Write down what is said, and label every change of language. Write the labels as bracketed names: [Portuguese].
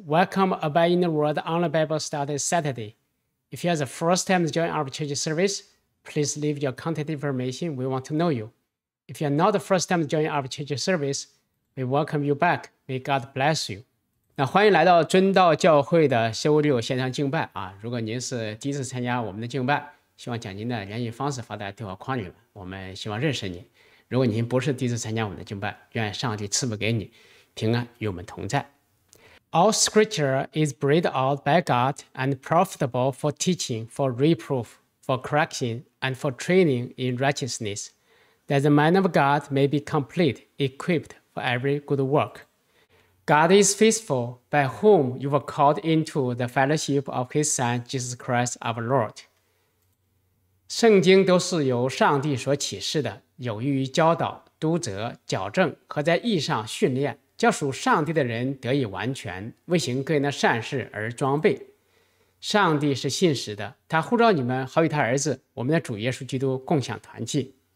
[English] Welcome to Abide in the World Online Bible Study Saturday. If you are the first time to join our church service, please leave your contact information. We want to know you. If you are not the first time to join our church service, we welcome you back. May God bless you. [Chinese] 那欢迎来到真道教会的修六线上敬拜啊！如果您是第一次参加我们的敬拜，希望将您的联系方式发在对话框里面，我们希望认识你。如果您不是第一次参加我们的敬拜，愿上帝赐福给你。平安与我们同在。 [English] All scripture is breathed out by God and profitable for teaching, for reproof, for correction, and for training in righteousness, that the man of God may be complete, equipped for every good work. God is faithful, by whom you were called into the fellowship of His Son, Jesus Christ, our Lord. [Chinese] 圣经都是由上帝所启示的，有益于教导、督责、矫正和在义上训练。叫属上帝的人得以完全，为行各样的善事而装备。上帝是信实的，他呼召你们好与他儿子我们的主耶稣基督共享团契。